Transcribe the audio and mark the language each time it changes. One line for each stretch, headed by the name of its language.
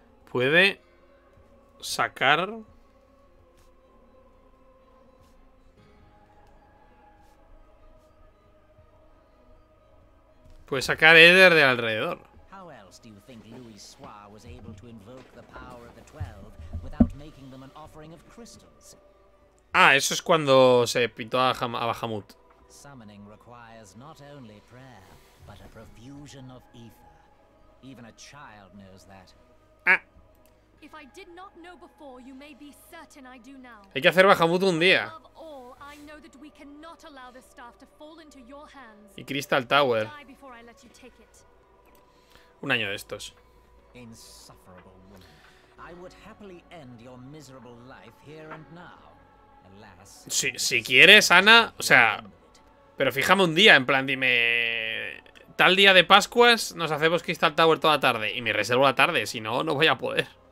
Spanish: Puede sacar éter de alrededor.
English: How else do you think Louis Soir was able to invoke the power of the 12 without making them an offering of crystals?
Spanish: Ah, eso es cuando se pintó a Bahamut.
English: Summoning requires not only prayer, but a profusion of ether. Even a child knows that. If I did not know before, you may be certain I do now.
Spanish: Hay que hacer Bahamut un día.
English: All, I know that we cannot allow this staff to fall into your hands. Y Crystal Tower. Die before I let you take it.
Spanish: Un año de estos.
English: Insufferable woman. I would happily end your miserable life here and now. Alas.
Spanish: Si quieres, Ana, o sea, pero fíjame un día, en plan dime tal día de Pascuas, nos hacemos Crystal Tower toda tarde y me reservo la tarde, si no no voy a poder.